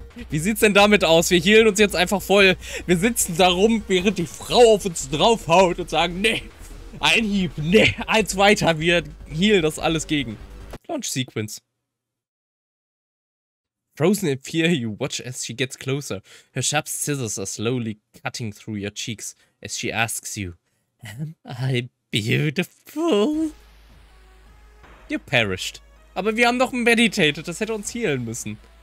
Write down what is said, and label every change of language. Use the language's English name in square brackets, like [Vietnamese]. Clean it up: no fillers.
[German] Wie sieht's denn damit aus? Wir healen uns jetzt einfach voll. Wir sitzen da rum, während die Frau auf uns draufhaut und sagen, nee, ein Hieb, nee, eins weiter, wir healen das alles gegen. [English] Launch Sequence. Frozen in fear, you watch as she gets closer. Her sharp scissors are slowly cutting through your cheeks as she asks you, am I beautiful? You perished. [German] Aber wir haben doch meditated, das hätte uns healen müssen.